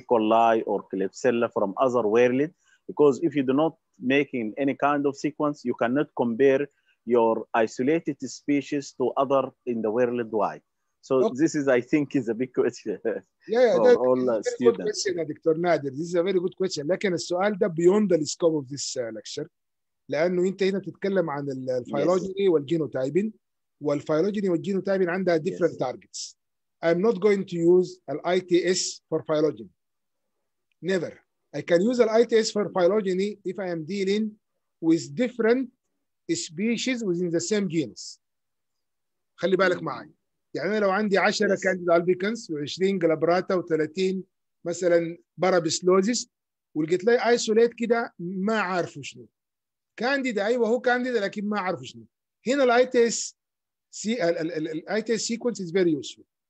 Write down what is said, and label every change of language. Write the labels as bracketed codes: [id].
[en] coli or Klebsiella from other world. Because if you do not making any kind of sequence, you cannot compare your isolated species to other in the world wide. So okay. This is, I think, is a big question. Yeah, for that, all students. Good question, Dr. Nader. This is a very good question. [ar] لكن السؤال ده beyond the scope of this lecture. لأنه أنت هنا تتكلم عن الفيولوجي والجينوتايبين والفيولوجي والجينوتايبين عندها different targets. [en] I'm not going to use an ITS for phylogeny. Never. I can use an ITS for phylogeny if I am dealing with different species within the same genus. [ar] خلي بالك معي. يعني لو عندي 10 كانديدا ألبيكنس و20 جلابراتا و30 مثلا بارابسلوزيس ولقيت لي ايسوليت كده ما عارفه شنو. كانديدا ايوه هو كانديدا لكن ما عارفه شنو. هنا الاي تي اس سي الاي تي اس سيكونس از فيري يوسفول.